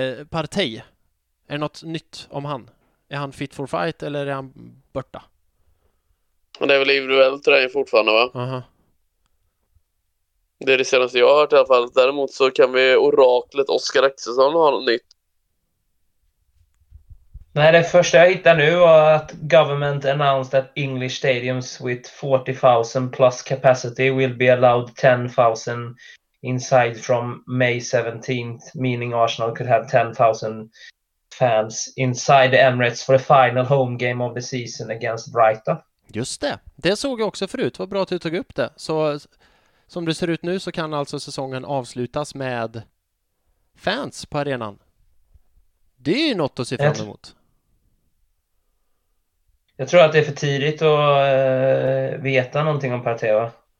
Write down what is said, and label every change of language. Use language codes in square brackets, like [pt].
[sv] Partey, är något nytt om han? Är han [en] fit for fight [sv] eller är han borta? Det är väl individuellt träning fortfarande, va? Aha. Uh-huh. Det är det senaste jag har hört i alla fall. Däremot så kan vi oraklet Oskar Axelsson ha något nytt. Nej, det första jag hittar nu var att [en] government announced that English stadiums with 40,000 plus capacity will be allowed 10,000 inside from May 17th, meaning Arsenal could have 10,000 fans inside the Emirates for the final home game of the season against Brighton. [sv] Just det. Det såg jag också förut. Vad bra att du tog upp det. Så... Som det ser ut nu så kan alltså säsongen avslutas med fans på arenan. Det är ju något att se fram emot. Jag tror att det är för tidigt att veta någonting om Partey, va?